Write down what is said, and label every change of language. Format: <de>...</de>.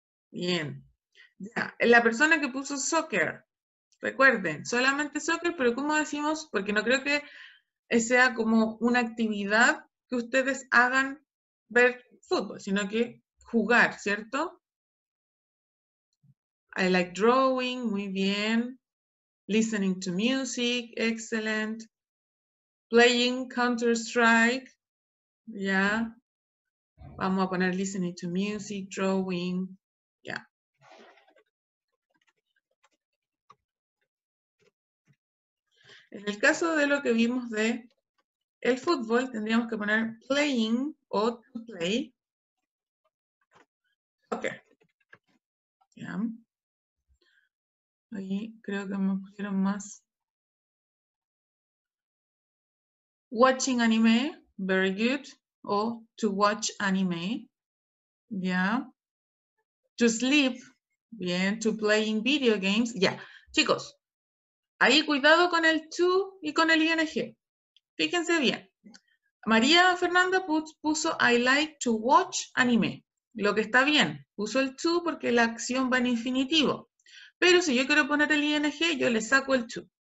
<es>Bien. Ya, la persona que puso soccer, Recuerden, solamente soccer, pero ¿cómo decimos? Porque no creo que sea como una actividad que ustedes hagan ver fútbol, sino que jugar, ¿cierto?</es> <en>I like drawing,</en> <es>muy bien.</es> <en>Listening to music, excellent. Playing Counter-Strike, ya. Yeah.</en> <es>Vamos a poner</es> <en>listening to music, drawing,</en> <es>ya. Yeah. En el caso de lo que vimos de el fútbol, tendríamos que poner playing o to play. Ok. Ya. Yeah. Ahí creo que me pusieron más.</es> <en>Watching anime, very good. O to watch anime. Ya. Yeah. To sleep, bien. To playing video games, ya. Yeah.</en> <es>Chicos, ahí cuidado con el to y con el ing. Fíjense bien. María Fernanda puso</es> <en>I like to watch anime.</en> <es>Lo que está bien. Puso el to porque la acción va en infinitivo. Pero si yo quiero poner el ing, yo le saco el to.</es>